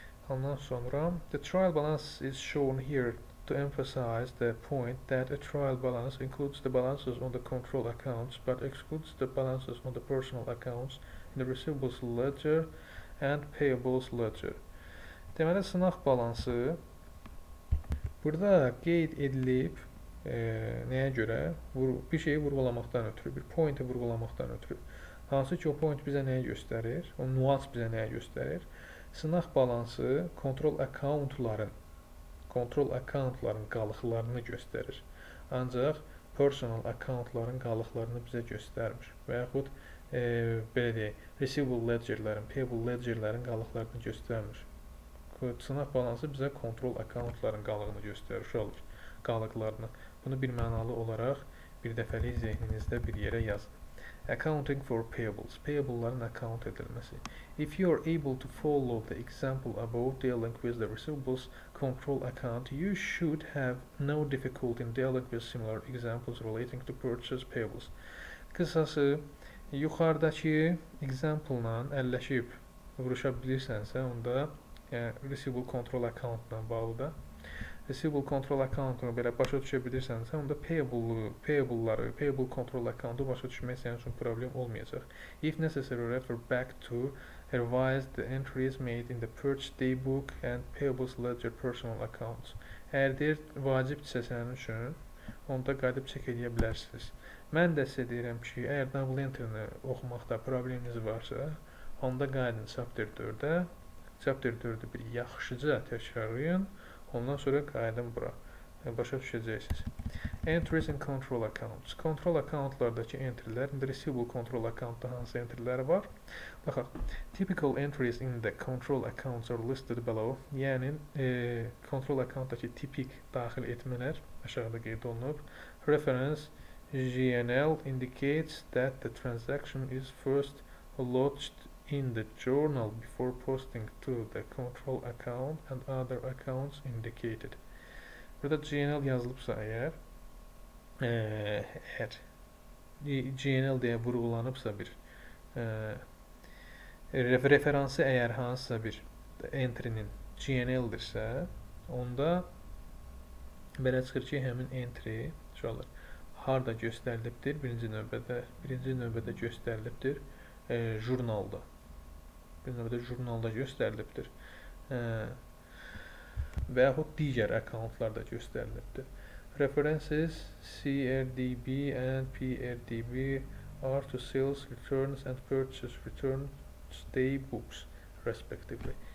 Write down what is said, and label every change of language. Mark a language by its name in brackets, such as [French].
[Azerbaijani] Ondan sonra, [English] the trial balance is shown here to emphasize the point that a trial balance includes the balances on the control accounts, but excludes the balances on the personal accounts in the receivables ledger and payables ledger. [Azerbaijani] Deməli, sınaq balansı burada qeyd edilib nəyə görə? Bir şeyi vurgulamaqdan ötürü, bir pointi vurgulamaqdan ötürü. Hansı ki, o point bizə nəyə göstərir? O nüans bizə nəyə göstərir? Sınaq balansı kontrol accountların qalıqlarını göstərir. Ancaq personal accountların qalıqlarını bizə göstərmir. Və yaxud belə deyək, receivable ledgerlərin, payable ledgerlərin qalıqlarını göstərmir. Sınaq balansı bizə kontrol accountların qalığını göstərir, uşaqlar, qalıqlarını. Bunu bir mənalı olaraq bir dəfəlik zeyninizdə bir yerə yazın. [English] Accounting for payables. [Azerbaijani] Payable'ların account edilmesi. [English] If you are able to follow the example above dealing with the receivables control account, you should have no difficulty in dealing with similar examples relating to purchase payables. [Azerbaijani] Kısası, yukarıdaki example'la əlləşib vuruşabilirsənsə, onda receivable control account'la bağlı da receivable control account'ını belə başa düşə bilirsəniz, onda payable'ları, payable control account'ı başa düşmək sizin üçün problem olmayacaq. [English] If necessary, refer back to revise the entries made in the purchase day book and payables ledger personal accounts. [Azerbaijani] Əgər deyir, vacibdirsə sizin üçün, onda qayıdıb çək edə bilərsiniz. Mən də sizə deyirəm ki, əgər double entry-ni oxumaqda probleminiz varsa, onda qayıdın chapter 4-ə. Chapter 4-ü bir yaxşıca təkrarlayın. Ondan sonra qayıdın bura. Başa düşəcəksiniz. [English] Entries in control accounts. [Azerbaijani] Control account-lardakı entry-lər, receivable control account-da hansı entry-lər var? Baxaq, [English] typical entries in the control accounts are listed below. [Azerbaijani] Yəni, control account-dakı tipik daxil etmələr aşağıda qeyd olunub. [English] Reference GNL indicates that the transaction is first lodged in the journal before posting to the control account and other accounts indicated. [Azerbaijani] Burada GNL yazılıbsa əgər, əgər GNL deyə vurğulanıbsa bir referansı əgər hansısa bir entry-nin GNL-dirsə, onda belə çıxır ki, həmin entry çalır. Harda göstərilibdir? Birinci növbədə göstərilibdir jurnalda. Birinci növbədə jurnalda göstərilibdir. Və yaxud digər accountlarda göstərilibdir. [English] References CRDB and PRDB are to sales returns and purchase returns day books respectively.